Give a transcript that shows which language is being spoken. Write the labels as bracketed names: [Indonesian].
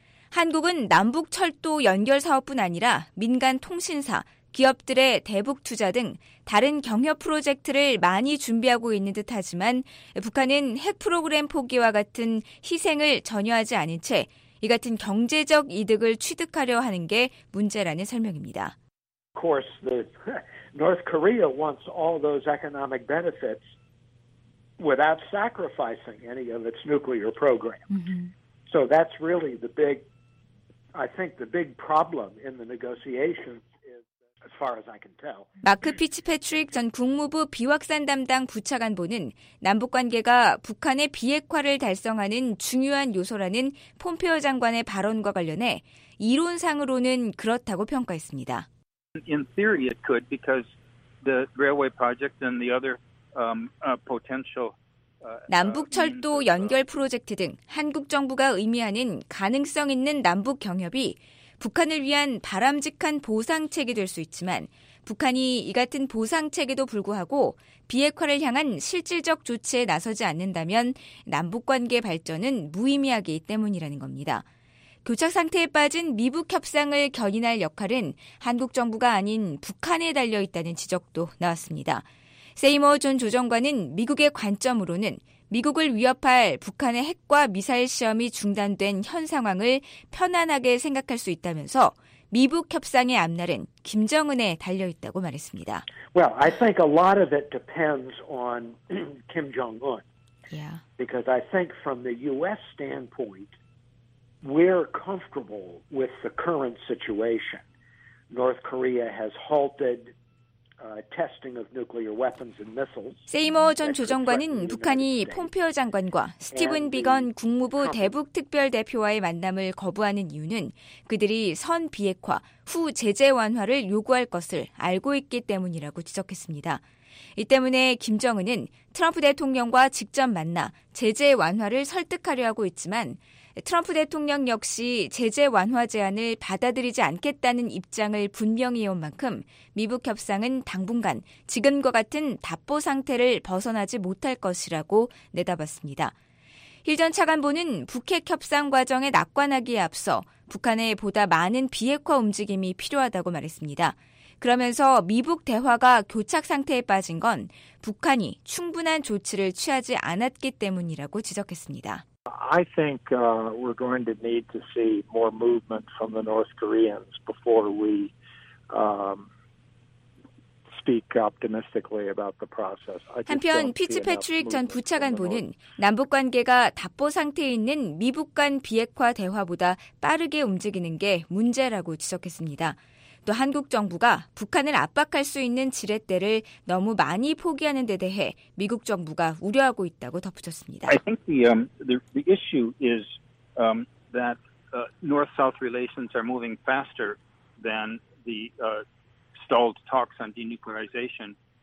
[Korean] 한국은 남북 철도 연결 사업뿐 아니라 민간 통신사, 기업들의 대북 투자 등 다른 경협 프로젝트를 많이 준비하고 있는 듯하지만 북한은 핵 프로그램 포기와 같은 희생을 전혀 하지 않은 채 이 같은 경제적 이득을 취득하려 하는 게 문제라는 설명입니다. [English] Of course, the North Korea wants all those economic benefits without sacrificing any of its nuclear program. So that's really the big, I think, the big problem in the negotiations. As far as I can tell. [Korean] 마크 피츠패트릭 전 국무부 비확산 담당 부차관보는 남북관계가 북한의 비핵화를 달성하는 중요한 요소라는 폼페오 장관의 발언과 관련해 이론상으로는 그렇다고 평가했습니다. [English] In theory, it could because the railway project and the other potential [Korean] 남북 철도 연결 프로젝트 등 한국 정부가 의미하는 가능성 있는 남북 경협이 북한을 위한 바람직한 보상책이 될 수 있지만 북한이 이 같은 보상책에도 불구하고 비핵화를 향한 실질적 조치에 나서지 않는다면 남북관계 발전은 무의미하기 때문이라는 겁니다. 교착상태에 빠진 미북 협상을 견인할 역할은 한국 정부가 아닌 북한에 달려있다는 지적도 나왔습니다. 세이머 존 조정관은 미국의 관점으로는 미국을 위협할 북한의 핵과 미사일 시험이 중단된 현 상황을 편안하게 생각할 수 있다면서 미북 협상의 앞날은 김정은에 달려 있다고 말했습니다. [English] Well, I think a lot of it depends on Kim Jong-un. Yeah. Because I think from the U.S. standpoint, we're comfortable with the current situation. North Korea has halted testing of nuclear weapons and missiles. [Korean] 세이머 전 조정관은 북한이 폼페오 장관과 스티븐 비건 국무부 대북 특별대표와의 만남을 거부하는 이유는 그들이 선 비핵화, 후 제재 완화를 요구할 것을 알고 있기 때문이라고 지적했습니다. 이 때문에 김정은은 트럼프 대통령과 직접 만나 제재 완화를 설득하려 하고 있지만 트럼프 대통령 역시 제재 완화 제안을 받아들이지 않겠다는 입장을 분명히 해온 만큼 미북 협상은 당분간 지금과 같은 답보 상태를 벗어나지 못할 것이라고 내다봤습니다. 힐 전 차관보는 북핵 협상 과정에 낙관하기에 앞서 북한에 보다 많은 비핵화 움직임이 필요하다고 말했습니다. 그러면서 미북 대화가 교착 상태에 빠진 건 북한이 충분한 조치를 취하지 않았기 때문이라고 지적했습니다. [English] I think we're going to need to see more movement from the North Koreans before we speak optimistically about the process. [Korean] 한편 피츠패트릭 전 부차관보는 남북 관계가 답보 상태에 있는 미북 간 비핵화 대화보다 빠르게 움직이는 게 문제라고 지적했습니다. 또 한국 정부가 북한을 압박할 수 있는 지렛대를 너무 많이 포기하는 데 대해 미국 정부가 우려하고 있다고 덧붙였습니다. [English] I think the issue is that North-South relations are moving faster than the stalled talks on denuclearization.